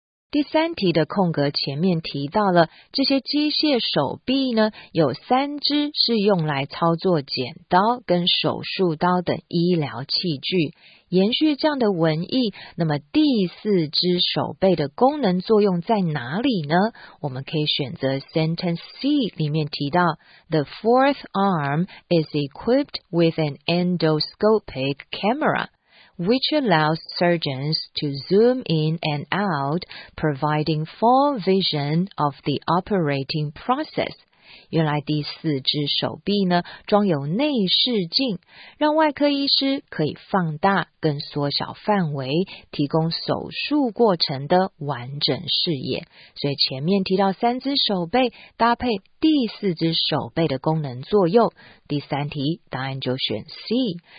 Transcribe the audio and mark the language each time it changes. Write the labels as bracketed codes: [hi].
[zh] 第三题的空格前面提到了这些机械手臂呢，有三只是用来操作剪刀跟手术刀等医疗器具。延续这样的文意，那么第四只手背的功能作用在哪里呢？我们可以选择 [en] Sentence C [zh] 里面提到 [en] The fourth arm is equipped with an endoscopic camera, which allows surgeons to zoom in and out, providing full vision of the operating process. [zh] 原来第四只手臂呢，装有内视镜，让外科医师可以放大跟缩小范围，提供手术过程的完整视野。所以前面提到三只手臂搭配第四只手臂的功能作用，第三题答案就选 C。